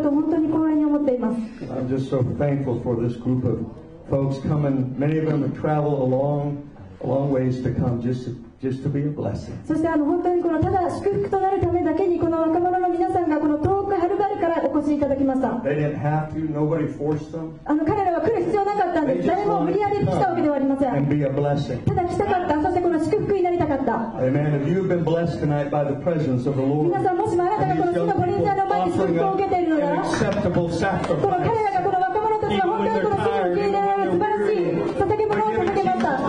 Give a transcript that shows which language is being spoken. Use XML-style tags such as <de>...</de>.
<en>I'm just so thankful for this group of folks coming. Many of them have traveled a long ways to come just to be a blessing.</en> <ja>そして本当にこのただ祝福となるためだけにこの若者の皆さんがこの遠くはるばるからお越しいただきました。</ja> <en>They didn't have to. Nobody forced them.</en> <ja>彼らは来る必要なかったんです。誰も無理やり来たわけではありません。</ja> <en>And be a blessing.</en> <ja>ただ来たかった。そしてこの祝福になりたかった。</ja> <en>Amen. If you've been blessed tonight by the presence of the Lord,</en> <ja>皆さんもしもあなたがこの主の御臨在の前に祝福を受けているなら、</ja> <en>an acceptable sacrifice.</en> <ja>彼らがこの若者たちが本当にこの主に受け入れられる素晴らしい捧げ物を捧げました。</ja>